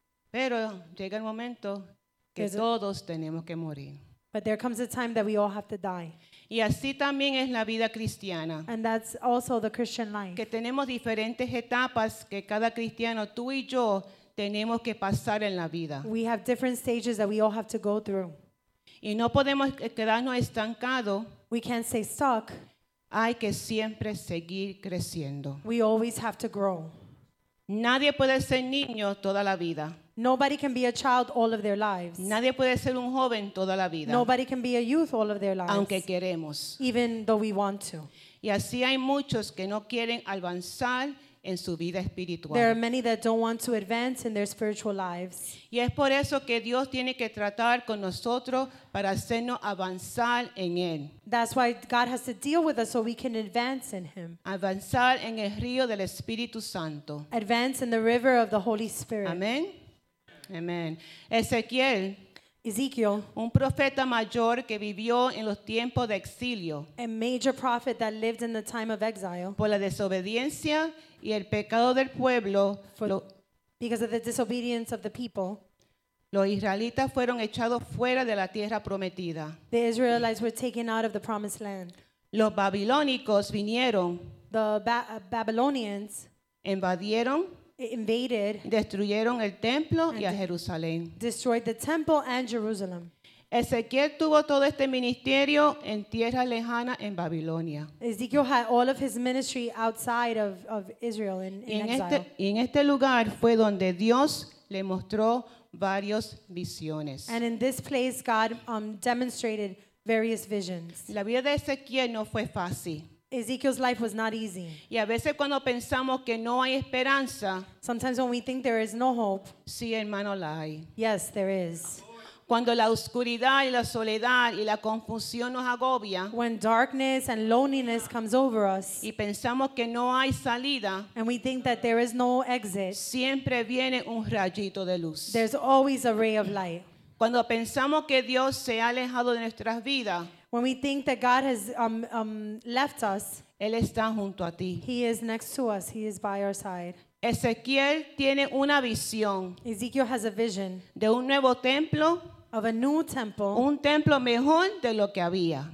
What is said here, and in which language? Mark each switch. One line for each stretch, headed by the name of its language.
Spanish: Pero llega el momento que todos tenemos que morir.
English: But there comes a time that we all have to die.
Spanish: Y así también es la vida cristiana.
English: And that's also the Christian life.
Spanish: Que tenemos diferentes etapas que cada cristiano, tú y yo, tenemos que pasar en la vida.
English: We have different stages that we all have to go through.
Spanish: Y no podemos quedarnos estancados.
English: We can't stay stuck.
Spanish: Hay que siempre seguir creciendo.
English: We always have to grow.
Spanish: Nadie puede ser niño toda la vida.
English: Nobody can be a child all of their lives.
Spanish: Nadie puede ser un joven toda la vida.
English: Nobody can be a youth all of their lives.
Spanish: Aunque queremos.
English: Even though we want to.
Spanish: Y así hay muchos que no quieren avanzar en su vida espiritual.
English: There are many that don't want to advance in their spiritual lives.
Spanish: Y es por eso que Dios tiene que tratar con nosotros para hacernos avanzar en él.
English: That's why God has to deal with us so we can advance in him.
Spanish: Avanzar en el río del Espíritu Santo.
English: Advance in the river of the Holy Spirit.
Spanish: Amén. Amén. Ezequiel.
English: Ezekiel,
Spanish: un profeta mayor que vivió en los tiempos de exilio,
English: a major prophet that lived in the time of exile,
Spanish: por la desobediencia y el pecado del pueblo,
English: because of the disobedience of the people,
Spanish: los israelitas fueron echados fuera de la tierra prometida.
English: The Israelites were taken out of the promised land.
Spanish: Los babilónicos vinieron.
English: The Babylonians
Spanish: invadieron.
English: Invaded,
Spanish: destruyeron el templo y a Jerusalén.
English: Destroyed the temple and Jerusalem.
Spanish: Ezequiel tuvo todo este ministerio en tierra lejana en Babilonia.
English: Ezekiel had all of his ministry outside of Israel in exile.
Spanish: En este lugar fue donde Dios le mostró varias visiones.
English: And in this place God demonstrated various visions.
Spanish: La vida de Ezequiel no fue fácil.
English: Ezekiel's life was not easy.
Spanish: Y a veces cuando pensamos que no hay esperanza,
English: sometimes when we think there is no hope,
Spanish: sí, hermano, la hay.
English: Yes, there is.
Spanish: Cuando la oscuridad y la soledad y la confusión nos agobia,
English: when darkness and loneliness comes over us,
Spanish: y pensamos que no hay salida,
English: and we think that there is no exit,
Spanish: siempre viene un rayito de luz.
English: There's always a ray of light.
Spanish: Cuando pensamos que Dios se ha alejado de nuestras vidas,
English: when we think that God has left us,
Spanish: él está junto a ti.
English: He is next to us. He is by our side.
Spanish: Ezequiel tiene una visión.
English: Ezekiel has a vision.
Spanish: De un nuevo templo.
English: Of a new temple.
Spanish: Un templo mejor de lo que había.